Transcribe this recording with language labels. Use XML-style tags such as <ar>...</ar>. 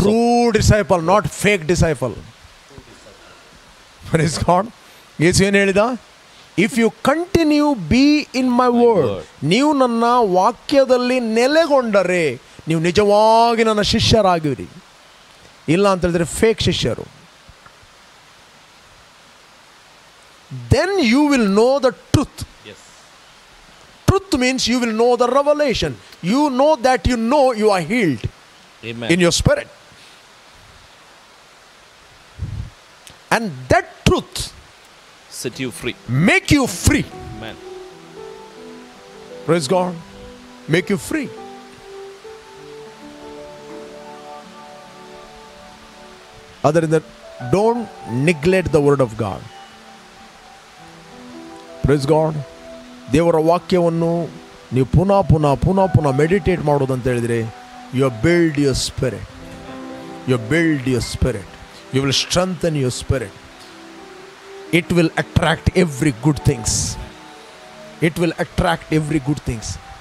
<en>True disciple, not fake disciple. Praise God.</en> <kn>ಯೇಸು ಏನು ಹೇಳಿದ?</kn> <en>If you continue be in my word,</en> <kn>ನೀವು ನನ್ನ ವಾಕ್ಯದಲ್ಲಿ ನೆಲೆಗೊಂಡರೆ ನೀವು ನಿಜವಾಗಿ ನನ್ನ ಶಿಷ್ಯರಾಗಿರಿ, ಇಲ್ಲ ಅಂತ ಹೇಳಿದರೆ ಫೇಕ್ ಶಿಷ್ಯರು.</kn> <en>Then you will know the truth. Yes. Truth means you will know the revelation. You know that you know you are healed. Amen. In your spirit. And that truth set you free. Make you free. Amen. Praise God. Make you free. Other than that, don't neglect the word of God. Praise God.</en> <kn>ದೇವರ ವಾಕ್ಯವನ್ನು ನೀವು ಪುನಃ ಪುನಃ ಪುನಃ ಪುನಃ meditate ಮಾಡೋದಂತ ಹೇಳಿದರೆ,</kn> <en>You build your spirit, you build your spirit, you will strengthen your spirit. It will attract every good things. It will attract every good things.</en>